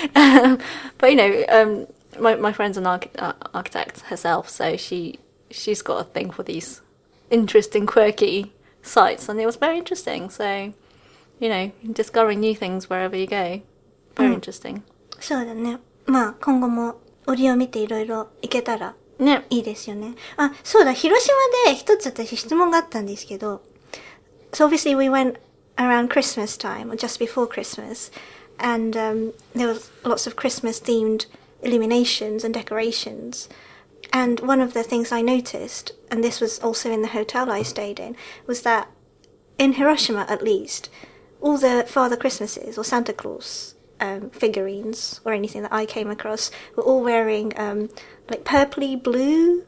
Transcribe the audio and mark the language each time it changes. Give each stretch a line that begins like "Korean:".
English: But you know, my friend's an architect herself, so she's got a thing for these interesting, quirky sites, and it was very interesting. So, you know, discovering new things wherever you go, very interesting.
Japanese: そうだね。まあ今後も折を見ていろいろ行けたら。ね。いいですよね。あ、そうだ、広島で一つ私質問があったんですけど。
English: So obviously we went around Christmas time, or just before Christmas, and, there was lots of Christmas themed illuminations and decorations. And one of the things I noticed, and this was also in the hotel I stayed in, was that in Hiroshima at least, all the Father Christmases or Santa Claus, figurines or anything that I came across were all wearing, like purpley blue